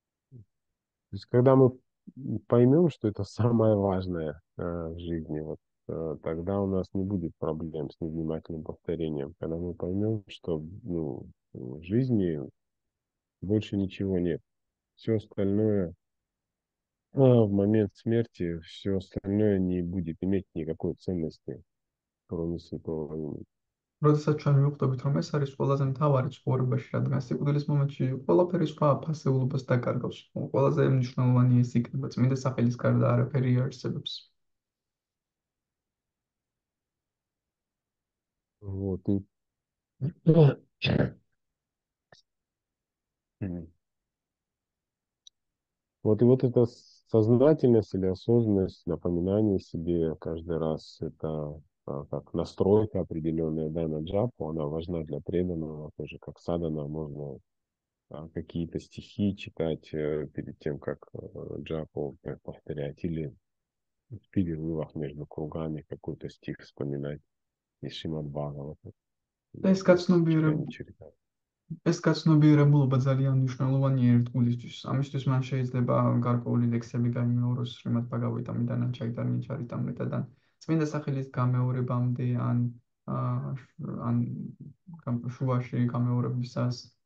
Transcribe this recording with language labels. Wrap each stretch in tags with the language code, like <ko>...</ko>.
<ru>То есть, когда мы поймем, что это самое важное в жизни, вот, тогда у нас не будет проблем с невнимательным повторением. Когда мы поймем, что, ну, в жизни больше ничего нет. Все остальное, в момент смерти, все остальное не будет иметь никакой ценности, кроме святого имени.</ru> <ka>როდესაც ჩვენ ვიხვდებით, რომ ეს არის ყველაზე მთავარი ცხოვრებაში, რადგან სიკვდილის მომენტში ყველაფერი სხვა ფასეულობას დაკარგავს. ყველაზე მნიშვნელოვანი ეს იქნება, წმინდა სახელის გარდა არაფერი არ არსებობს.</ka> <ru>Вот. Вот эта сознательность или осознанность, напоминание себе каждый раз, это как настройка определенная, да, на джапу, она важна для преданного, тоже как садхана можно какие-то стихи читать перед тем, как джапу повторять, или в перерывах между кругами какой-то стих вспоминать. И Шримад Бхагавата, то есть чтение Чарита.</ru> <ka>Ეს გაცნობიერება ბოლობა ძალიან მნიშვნელოვანი ერთგულისთვის. ამისთვის მან შეიძლება გარკვეული ლექსები გაიმეოროს შრიმად ბაგავატამიდან, ჩაიტანია ჩარიტამრიტადან, წმინდა სახელის გამეორებამდე ან შუბაში გამეორებისას.</ka>